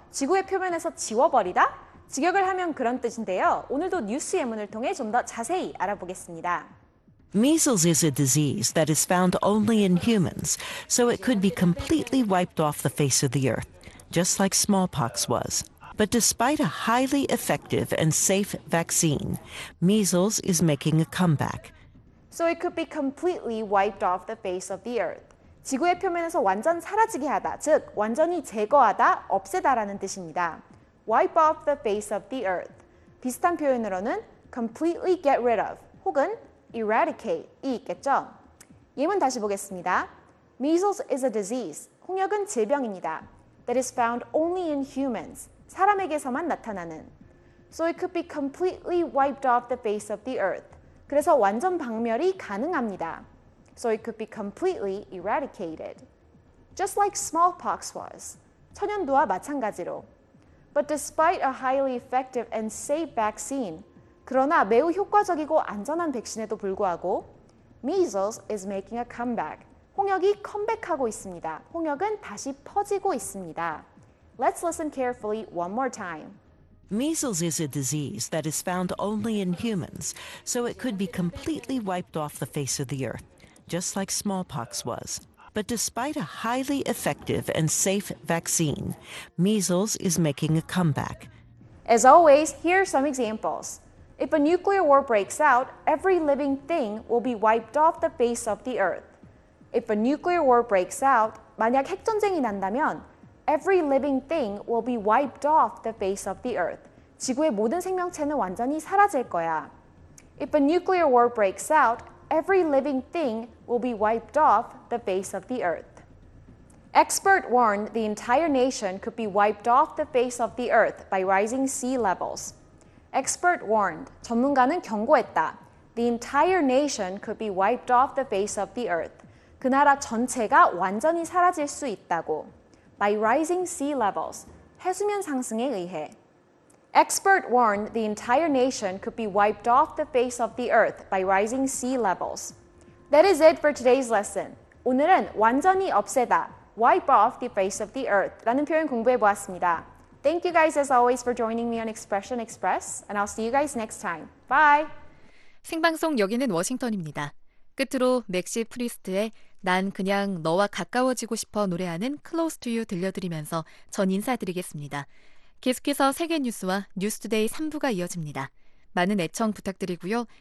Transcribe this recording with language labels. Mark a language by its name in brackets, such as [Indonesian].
[Korean] 지구의 표면에서 지워버리다? 직역을 하면 그런 뜻인데요. 오늘도 뉴스 예문을 통해 좀 더 자세히 알아보겠습니다. [English] Measles is a disease that is found only in humans, so it could be completely wiped off the face of the earth. Just like smallpox was. But despite a highly effective and safe vaccine, measles is making a comeback. So it could be completely wiped off the face of the earth. [Korean] 지구의 표면에서 완전 사라지게 하다, 즉 완전히 제거하다, 없애다라는 뜻입니다. [English] Wipe off the face of the earth. [Korean] 비슷한 표현으로는 [English] completely get rid of [Korean] 혹은 [English] eradicate이 있겠죠. 예문 다시 보겠습니다. Measles is a disease. [Korean] 홍역은 질병입니다. [English] That is found only in humans, [Korean] 사람에게서만 나타나는. [English] So it could be completely wiped off the face of the earth. [Korean] 그래서 완전 박멸이 가능합니다. [English] So it could be completely eradicated. Just like smallpox was, [Korean] 천연두와 마찬가지로. [English] But despite a highly effective and safe vaccine, [Korean] 그러나 매우 효과적이고 안전한 백신에도 불구하고, [English] measles is making a comeback. [Korean] 홍역이 컴백하고 있습니다. 홍역은 다시 퍼지고 있습니다. [English] Let's listen carefully one more time. Measles is a disease that is found only in humans, so it could be completely wiped off the face of the earth, just like smallpox was. But despite a highly effective and safe vaccine, measles is making a comeback. As always, here are some examples. If a nuclear war breaks out, every living thing will be wiped off the face of the earth. If a nuclear war breaks out, [Korean] 만약 핵전쟁이 난다면, [English] every living thing will be wiped off the face of the earth. [Korean] 지구의 모든 생명체는 완전히 사라질 거야. [English] If a nuclear war breaks out, every living thing will be wiped off the face of the earth. Expert warned the entire nation could be wiped off the face of the earth by rising sea levels. Expert warned, [Korean] 전문가는 경고했다. [English] The entire nation could be wiped off the face of the earth. [Korean] 그 나라 전체가 완전히 사라질 수 있다고. [English] By rising sea levels, [Korean] 해수면 상승에 의해. [English] Expert warned the entire nation could be wiped off the face of the earth by rising sea levels. That is it for today's lesson. [Korean] 오늘은 완전히 없애다, [English] wipe off the face of the earth [Korean] 라는 표현 공부해 보았습니다. [English] Thank you guys as always for joining me on Expression Express and I'll see you guys next time. Bye! [Korean] 생방송 여기는 워싱턴입니다. 끝으로 맥시 프리스트의 난 그냥 너와 가까워지고 싶어 노래하는 Close to You 들려드리면서 전 인사드리겠습니다. 계속해서 세계 뉴스와 뉴스투데이 3부가 이어집니다. 많은 애청 부탁드리고요.